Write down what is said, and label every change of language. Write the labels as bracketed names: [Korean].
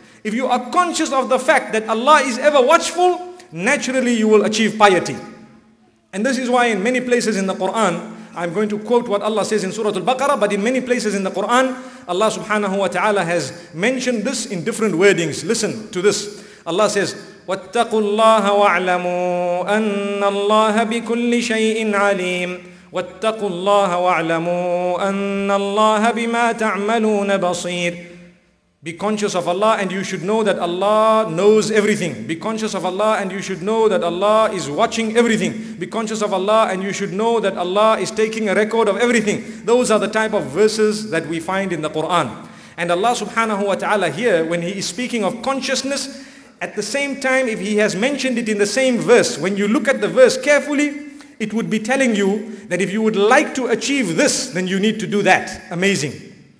[English] If you are conscious of the fact that Allah is ever watchful, naturally you will achieve piety. And this is why in many places in the Quran, I'm going to quote what Allah says in Surah Al-Baqarah, but in many places in the Quran, Allah subhanahu wa ta'ala has mentioned this in different wordings. Listen to this. Allah says, [Arabic] وَاتَّقُوا اللَّهَ وَاعْلَمُوا أَنَّ اللَّهَ بِكُلِّ شَيْءٍ عَلِيمٌ وَاتَّقُوا اللَّهَ وَاعْلَمُوا أَنَّ اللَّهَ بِمَا تَعْمَلُونَ بَصِيرٌ. [English] Be conscious of Allah and you should know that Allah knows everything. Be conscious of Allah and you should know that Allah is watching everything. Be conscious of Allah and you should know that Allah is taking a record of everything. Those are the type of verses that we find in the Quran. And Allah subhanahu wa ta'ala here, when he is speaking of consciousness, at the same time, if he has mentioned it in the same verse, when you look at the verse carefully, it would be telling you that if you would like to achieve this, then you need to do that. Amazing.